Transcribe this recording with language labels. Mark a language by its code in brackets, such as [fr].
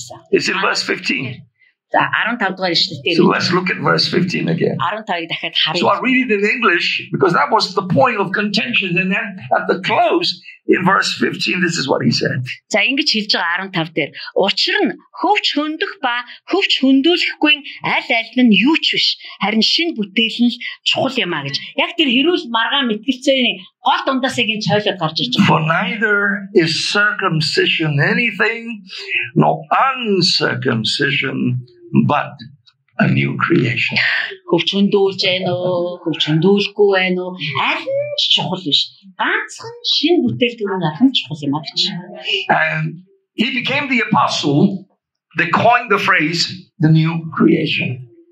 [en] It's in verse 15. So let's look at verse 15 again. So I read it in English because that was the point of contention, and then at the close in verse 15, this is what he said. [mn] За ингэж хэлж байгаа 15 дээр учир нь хөвч хөндөх ба хөвч хөндүүлэхгүй аль аль нь юу ч биш. Харин шинэ бүтээл нь чухал юм а гэж. Яг тэр хэрүүл маргаан мэтгэлцээний гол дундаас яг энэ цойлоод гарч ирж байгаа. [en] For neither is circumcision anything nor uncircumcision but a new creation. [mn] Хөвч хөндүүлж байна уу? Хөвч хөндүүлэхгүй байна уу? Аль нь ч чухал биш. [en] And he became the apostle that coined the phrase the new creation.